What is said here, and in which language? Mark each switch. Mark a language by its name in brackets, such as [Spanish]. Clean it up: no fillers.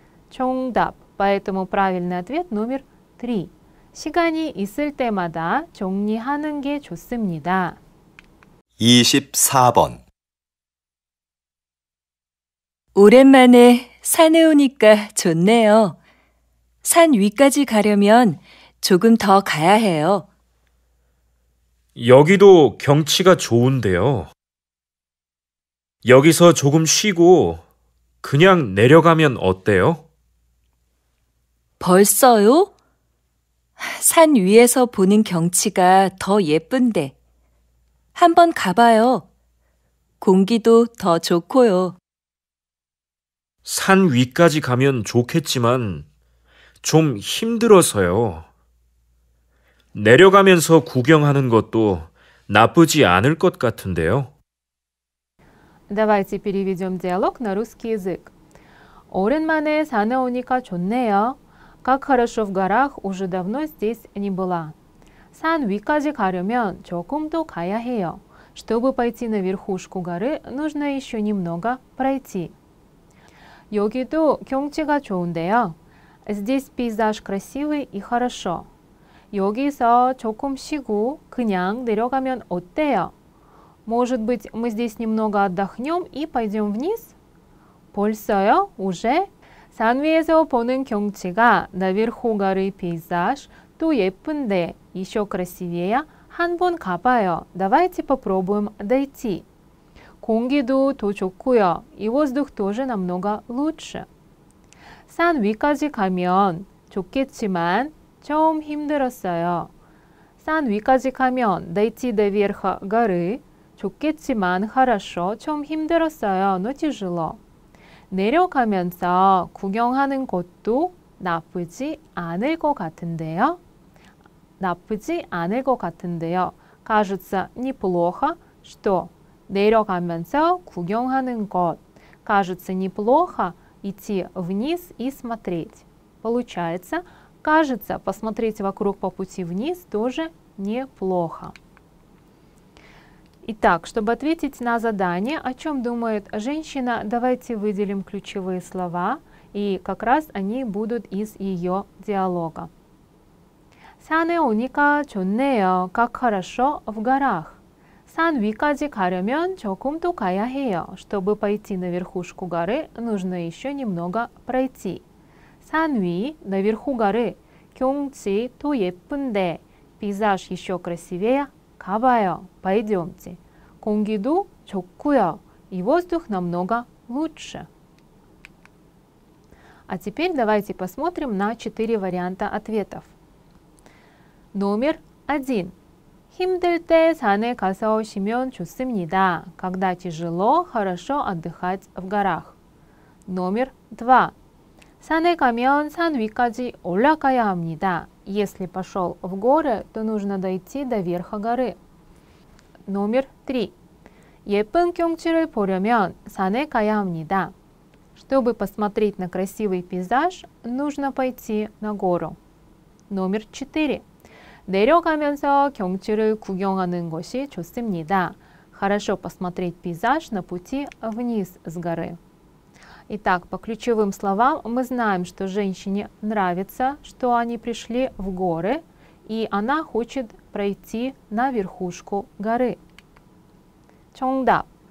[Korean] 정답. [Russian] Поэтому правильный ответ номер три. [Korean] 시간이 있을 때마다 정리하는 게 좋습니다. 24번 오랜만에 산에 오니까 좋네요. 산 위까지 가려면 조금 더 가야 해요. 여기도 경치가 좋은데요. 여기서 조금 쉬고 그냥 내려가면 어때요? 벌써요? 산 위에서 보는 경치가 더 예쁜데. 한번 가봐요. 공기도 더 좋고요. 산 위까지 가면 좋겠지만 좀 힘들어서요. 내려가면서 구경하는 것도 나쁘지 않을 것 같은데요. [Russian] Давайте переведем диалог на русский язык. [Korean] 오랜만에 산에 오니까 좋네요. [Russian] Как хорошо в горах, уже давно здесь не была. [Korean] 산 위까지 가려면 조금도 가야 해요. [Russian] Чтобы пойти на верхушку горы, нужно еще немного пройти. [Korean] 여기도 경치가 좋은데요. [Russian] Здесь пейзаж красивый и хорошо. [Korean] 여기서 조금 쉬고 그냥 내려가면 어때요? [Russian] Может быть, мы здесь немного отдохнем и пойдем вниз? [Korean] 벌써요? [Russian] Уже? [Korean] 산 위에서 보는 경치가 나верху [Russian] горы пейзаж, то [Korean] 예쁜데, [Russian] еще красивее, [Korean] 한번 가봐요. [Russian] Давайте попробуем дойти. [Korean] 공기도 더 좋고요. [Russian] И воздух тоже намного лучше. [Korean] 산 위까지 가면 좋겠지만 좀 힘들었어요. 산 위까지 가면 [Russian] дойти до верха горы, [Korean] 좋겠지만 [Russian] хорошо, [Korean] 좀 힘들었어요, [Russian] но тяжело. [Korean] 내려가면서 구경하는 것도 나쁘지 않을 것 같은데요. 나쁘지 않을 것 같은데요. [Russian] Кажется, неплохо, что [Korean] 내려가면서 구경하는 것. [Russian] Кажется, неплохо идти вниз и смотреть. Получается, кажется, посмотреть вокруг по пути вниз тоже неплохо. Итак, чтобы ответить на задание, о чем думает женщина, давайте выделим ключевые слова, и как раз они будут из ее диалога. [Korean] 산에 오니까 좋네요. [Russian] Как хорошо в горах. [Korean] 산 위까지 가려면 조금 더 가야 해요. [Russian] Чтобы пойти на верхушку горы, нужно еще немного пройти. [Korean] 산 위, [Russian] наверху горы. [Korean] 경치 또 예쁜데. [Russian] Пейзаж еще красивее. [Korean] 가봐요. [Russian] Пойдемте. [Korean] 공기도 좋고요. [Russian] И воздух намного лучше. А теперь давайте посмотрим на 4 варианта ответов. Номер 1. [Korean] 힘들 때 산에 가서 쉬면 좋습니다. [Russian] Когда тяжело, хорошо отдыхать в горах. Номер 2. [Korean] 산에 가면 산 위까지 올라가야 합니다. [Russian] Если пошел в горы, то нужно дойти до верха горы. Номер 3. [Korean] 예쁜 경치를 보려면 산에 가야 합니다. [Russian] Чтобы посмотреть на красивый пейзаж, нужно пойти на гору. Номер 4. [Korean] 내려가면서 경치를 구경하는 것이 좋습니다. [Russian] Хорошо посмотреть пейзаж на пути вниз с горы. Итак, по ключевым словам мы знаем, что женщине нравится, что они пришли в горы, и она хочет пройти на верхушку горы. Чондап.